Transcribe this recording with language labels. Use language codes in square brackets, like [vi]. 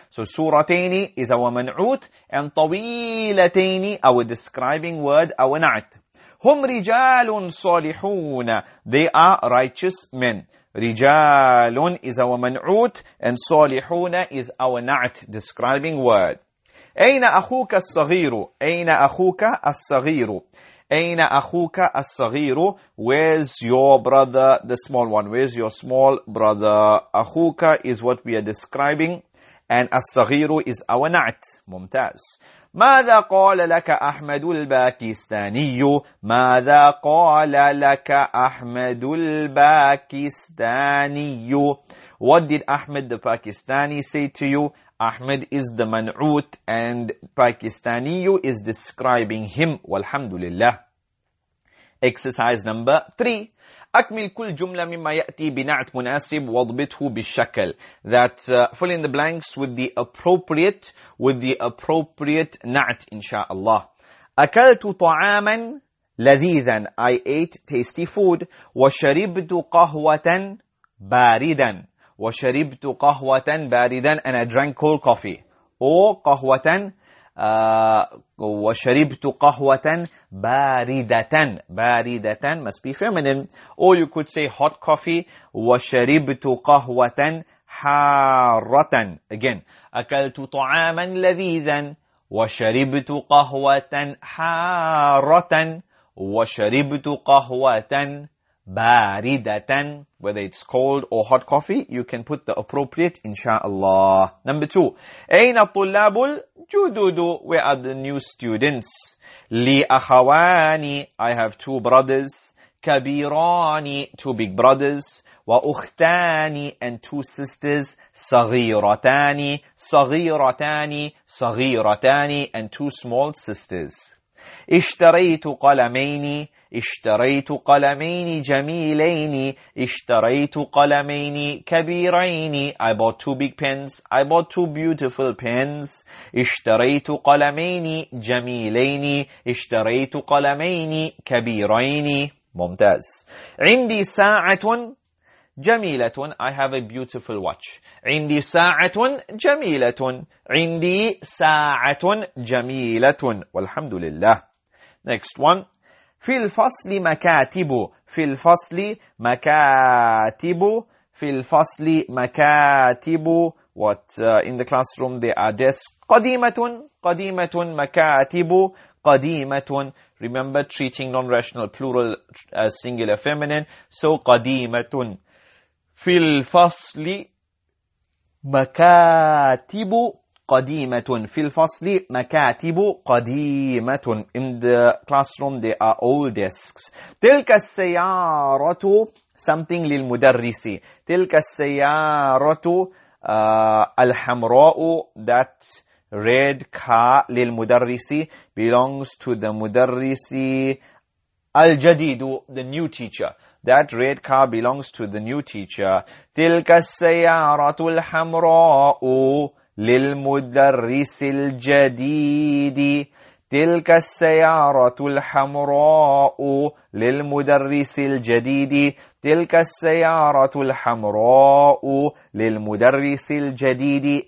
[en] So suratayni is our man'ut, and tawilatayni our describing word, our na'at. [ar] هم رجال صالحون, [en] they are righteous men. رجال is our منعوت, and صالحون is our نعت, describing word. [ar] أين أخوك الصغير؟ أين أخوك الصغير؟ أين أخوك الصغير؟ [en] Where's your brother, the small one? Where's your small brother? أخوك is what we are describing, and الصغير is our نعت. [ar] ممتاز. ماذا قال لك أحمد الباكستاني؟ ماذا قال لك أحمد الباكستاني؟ [en] What did Ahmed the Pakistani say to you? Ahmed is the man'ut, and Pakistani is describing him. [ar] والحمد لله. [en] Exercise number 3. [ar] أكمل كل جملة مما يأتي بنعت مناسب واضبطه بالشكل. [en] That fill in the blanks with the appropriate نعت [ar] إن شاء الله. أكلت طعاما لذيذا, [en] I ate tasty food. [ar] وشربت قهوة باردا, وشربت قهوة باردا, [en] and I drank cold coffee. [ar] أو قهوة وشربت قهوة باردة, [en] باردة must be feminine, or you could say hot coffee. [ar] وشربت قهوة حارة, again أكلت طعاما لذيذا. وشربت قهوة حارة, وشربت قهوة باردة, [en] whether it's cold or hot coffee, you can put the appropriate inshallah. Number 2, [ar] أين الطلاب الجدد, [en] where are the new students? [ar] لي أخواني, [en] I have two brothers. [ar] كبيراني, [en] two big brothers. [ar] وأختاني, [en] and two sisters. [ar] صغيرتاني, صغيرتاني, صغيرتاني, [en] and two small sisters. [ar] اشتريت قلميني, اشتريت قلمين جميلين. اشتريت قلمين كبيرين. [en] I bought two big pens. I bought two beautiful pens. [ar] اشتريت قلمين جميلين. اشتريت قلمين كبيرين. ممتاز. عندي ساعة جميلة. I have a beautiful watch. عندي ساعة جميلة. عندي ساعة جميلة. والحمد لله. [en] Next one. [ar] في الفصل مكاتب, في الفصل مكاتب, في الفصل مكاتب, [en] what in the classroom they are desks. [ar] قديمة, قديمة, مكاتب, قديمة. [en] Remember treating non-rational plural as singular feminine, so قديمة. [ar] في الفصل مكاتب قديمة, [en] في الفصل مكاتب قديمة, in the classroom there are old desks. [ar] تلك السيارة [en] something [ar] للمدرس, تلك السيارة الحمراء, [en] that red car [ar] للمدرس, [en] belongs to the [ar] مدرس الجديد, [en] the new teacher. That red car belongs to the new teacher. [ar] تلك السيارة الحمراء للمدرس الجديد, تلك السيارة الحمراء للمدرس الجديد. تلك السيارة الحمراء للمدرس الجديد.